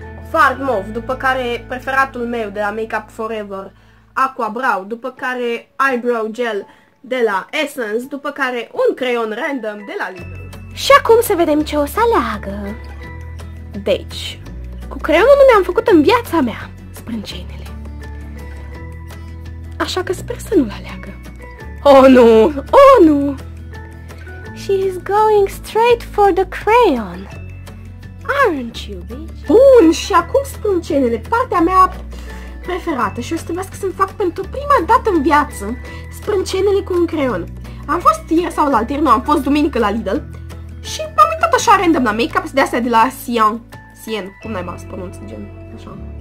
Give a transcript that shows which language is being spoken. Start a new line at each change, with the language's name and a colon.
Romanian: Fard Mauve, după care preferatul meu de la Makeup Forever, Aqua Brow, după care Eyebrow Gel de la Essence, după care un creion random de la Lidl. Și acum să vedem ce o să aleagă. Deci, cu creionul nu mi-am făcut în viața mea sprâncenele. Așa că sper să nu-l aleagă. Oh nu! Oh nu!
English: She's going straight for the crayon. Aren't you, bitch?
Romanian: Bun, și acum sprâncenele, partea mea preferată, și o să trebuie să fac pentru prima dată în viață sprâncenele cu un creion. Am fost ieri sau la altă, nu, am fost duminică la Lidl și m-am uitat așa random la make-up, de astea de la Sien, cum n-ai mai să pronunț, gen, așa.